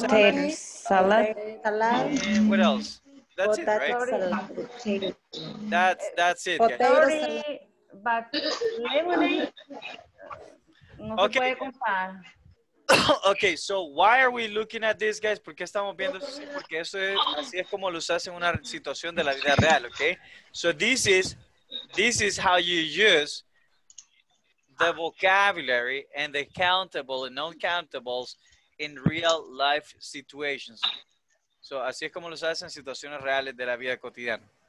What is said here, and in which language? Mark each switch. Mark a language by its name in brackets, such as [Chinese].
[English] Potatoes. Salad. Salad. And what else? That's potato, it, right? Salad. That's it. Potato, guys. Salad. But lemonade. Okay. [Spanish] No se puede comprar. [English] Okay, so why are we looking at this, guys? [Spanish] ¿Por qué estamos viendo? Porque eso es, así es como lo usas en una situación de la vida real, okay? [English] So this is how you use the vocabulary and the countable and non-countables in real life situations. [Spanish] So así es como lo usas en situaciones reales de la vida cotidiana.